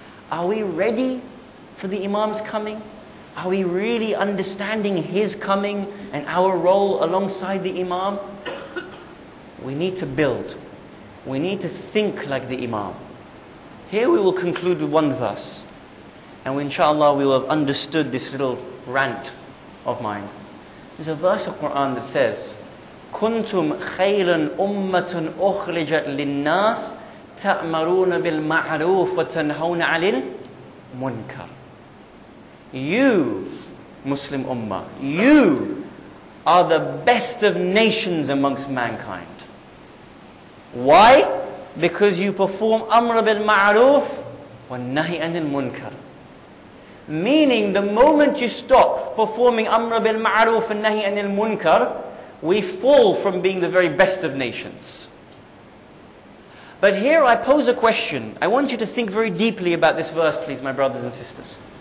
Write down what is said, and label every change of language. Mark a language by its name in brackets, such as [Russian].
[English] Are we ready for the Imam's coming? Are we really understanding his coming and our role alongside the Imam? We need to build. We need to think like the Imam. Here we will conclude with one verse. And inshallah we will have understood this little rant of mine. There's a verse of Quran that says, [Arabic] كنتم خيرا أمة أخرجت للناس تأمرون بالمعروف وتنهون عن المنكر. [English] You, Muslim Ummah, you are the best of nations amongst mankind. Why? Because you perform [Arabic] أمر بالمعروف ونهي عن المنكر. [English] Meaning, the moment you stop performing Amr bil Ma'ruf and Nahi anil Munkar, we fall from being the very best of nations. But here I pose a question. I want you to think very deeply about this verse, please, my brothers and sisters.